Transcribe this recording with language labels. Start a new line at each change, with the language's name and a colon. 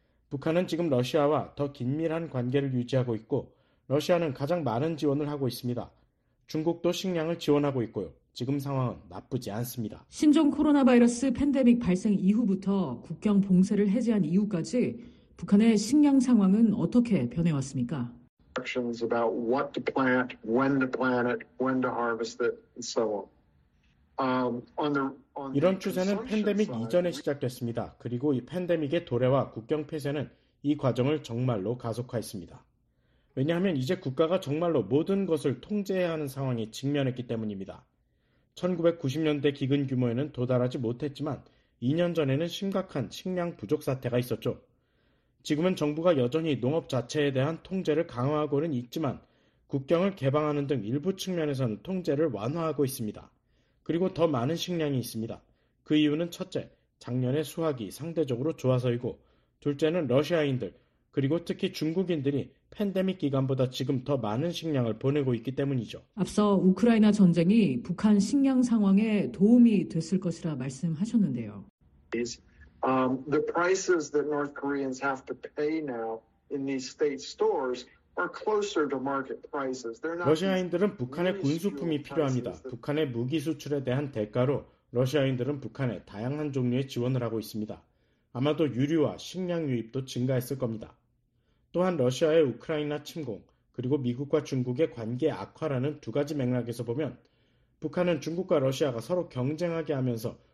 Korean: 북한은 지금 러시아와 더 긴밀한 관계를 유지하고 있고 러시아는 가장 많은 지원을 하고 있습니다. 중국도 식량을 지원하고 있고요. 지금 상황은 나쁘지 않습니다. 신종 코로나 바이러스 팬데믹 발생 이후부터 국경 봉쇄를 해제한 이후까지 북한의 식량 상황은 어떻게 변해왔습니까?
English: Instructions about what to plant, when to plant it, when to harvest it, and so on.
Korean: 이런 추세는 팬데믹 이전에 시작됐습니다. 그리고 이 팬데믹의 도래와 국경 폐쇄는 이 과정을 정말로 가속화했습니다. 왜냐하면 이제 국가가 정말로 모든 것을 통제해야 하는 상황에 직면했기 때문입니다. 1990년대 기근 규모에는 도달하지 못했지만 2년 전에는 심각한 식량 부족 사태가 있었죠. 지금은 정부가 여전히 농업 자체에 대한 통제를 강화하고는 있지만 국경을 개방하는 등 일부 측면에서는 통제를 완화하고 있습니다. 그리고 더 많은 식량이 있습니다. 그 이유는 첫째, 작년에 수확이 상대적으로 좋아서이고 둘째는 러시아인들, 그리고 특히 중국인들이 팬데믹 기간보다 지금 더 많은 식량을 보내고 있기 때문이죠. 앞서 우크라이나 전쟁이 북한 식량 상황에 도움이 됐을 것이라 말씀하셨는데요.
English: The prices that North Koreans have to pay now in these state stores are closer to market prices.
Korean: 러시아인들은 북한의 군수품이 필요합니다. 북한의 무기 수출에 대한 대가로 러시아인들은 북한에 다양한 종류의 지원을 하고 있습니다. 아마도 유류와 식량 유입도 증가했을 겁니다. 또한 러시아의 우크라이나 침공, 그리고 미국과 중국의 관계 악화라는 두 가지 맥락에서 보면 북한은 중국과 러시아가 서로 경쟁하게 하면서